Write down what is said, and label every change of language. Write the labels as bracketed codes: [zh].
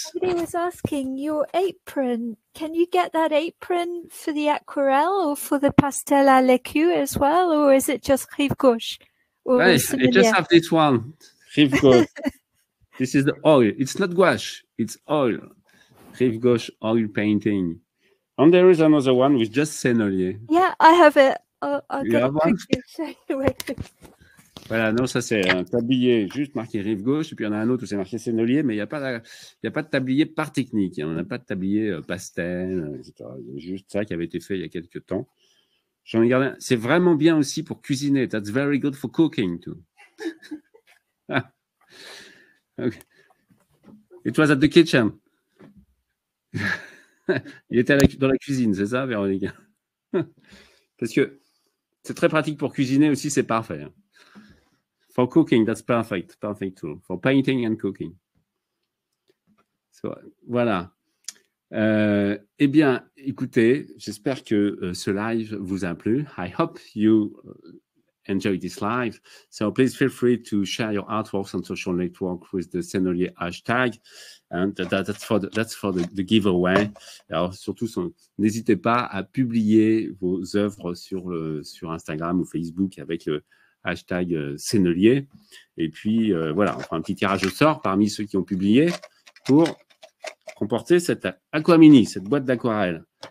[en] Somebody was asking, your apron, can you get that apron for the aquarelle or for the pastel à l'écu as well? Or is it just rive gauche? Yes, I just have this one. Rive gauche. This is the oil. It's not gouache. It's oil. Rive gauche oil painting. And there is another one with just sennelier. Yeah, I have it. I'll go. [fr] Voilà, non, ça c'est un tablier juste marqué rive gauche, et puis il y en a un autre où c'est marqué sennelier, mais il n'y a pas de tablier par technique, hein. On n'a pas de tablier pastel, etc. Il y a juste ça qui avait été fait il y a quelques temps. J'en ai gardé un. C'est vraiment bien aussi pour cuisiner. [en] That's very good for cooking too. Okay. It was at the kitchen. [fr] Il était dans la cuisine, c'est ça, Véronique? Parce que c'est très pratique pour cuisiner aussi, c'est parfait. [en] For cooking, that's perfect. Perfect tool. For painting and cooking. So, voilà. [fr] Eh bien, écoutez, j'espère que ce live vous a plu. [en] I hope you enjoy this live. So please feel free to share your artworks on social network with the Sennelier hashtag. And that's for the giveaway. [fr] Alors surtout, n'hésitez pas à publier vos œuvres sur Instagram ou Facebook avec le hashtag Sennelier. Et puis voilà, on fera un petit tirage au sort parmi ceux qui ont publié pour remporter cette Aquamini, cette boîte d'aquarelle.